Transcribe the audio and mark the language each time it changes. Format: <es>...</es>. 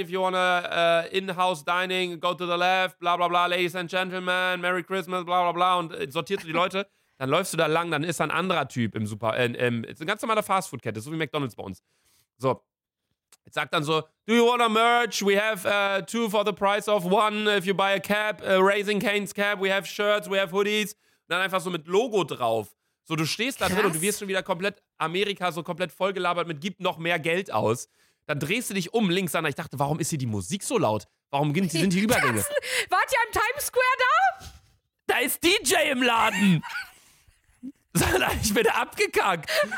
<en>If you wanna in-house dining, go to the left, bla bla bla, ladies and gentlemen, Merry Christmas, bla bla bla.</en> <de>Und sortierst du die Leute, dann läufst du da lang, dann ist da ein anderer Typ im Super, ist eine ganz normale Fastfood-Kette, so wie McDonald's bei uns. So, jetzt sagt dann so,</de> <en>do you wanna merch? We have two for the price of one. If you buy a cap, a Raising Cane's cap, we have shirts, we have hoodies.</en> <de>Und dann einfach so mit Logo drauf. So, du stehst da drin und du wirst schon wieder komplett Amerika so komplett vollgelabert mit, gib noch mehr Geld aus. Dann drehst du dich um links an. Ich dachte, warum ist hier die Musik so laut? Warum sind die Übergänge? Wart ihr im Times Square da? Da ist DJ im Laden. Ich bin abgekackt.</de>